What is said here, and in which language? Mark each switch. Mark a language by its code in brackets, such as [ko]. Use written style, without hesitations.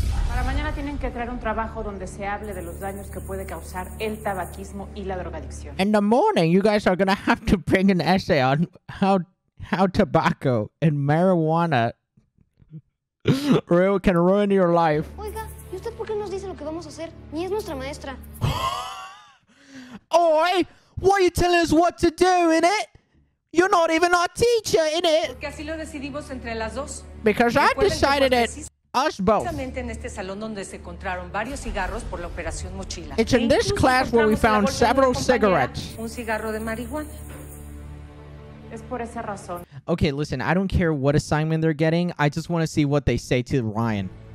[es] Para mañana tienen que traer un trabajo donde se hable de los daños que puede causar el tabaquismo y la drogadicción. [en] In the morning, you guys are gonna have to bring an essay on how tobacco and marijuana real can ruin your life. [es] Oiga, ¿y usted por qué nos dice lo que vamos a hacer? Ni es nuestra maestra. [en] Oi, why are you telling us what to do, innit? You're not even our teacher, innit? [es] Porque así lo decidimos entre las dos. [en] Because I decided it. Us both. [es] Precisamente en este salón donde se encontraron varios cigarros por la operación mochila. [en] It's in this class where we found several cigarettes. [es] Un cigarro de marihuana. Es por esa razón. [en] Okay, listen, I don't care what assignment they're getting. I just want to see what they say to Ryan.